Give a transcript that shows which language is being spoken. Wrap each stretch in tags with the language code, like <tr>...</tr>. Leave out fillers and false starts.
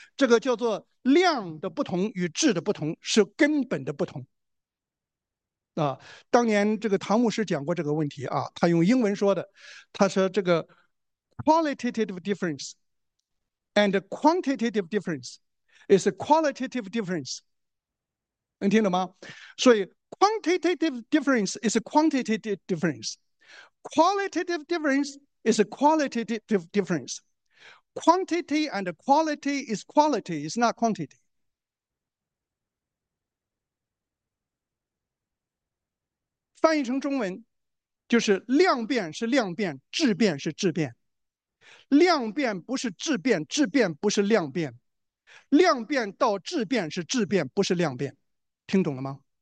<zh>这个叫做量的不同与质的不同，是根本的不同。啊，当年这个唐牧师讲过这个问题啊，他用英文说的，他说这个</zh> <en>qualitative difference and quantitative difference is a qualitative difference，</en> <zh>能听懂吗？</zh> <en>所以 quantitative difference is a quantitative difference，qualitative difference is a qualitative difference，quantity and quality is quality is not quantity。</en> <zh>翻译成中文，就是量变是量变，质变是质变。量变不是质变，质变不是量变，量变到质变是质变，不是量变。听懂了吗？</zh>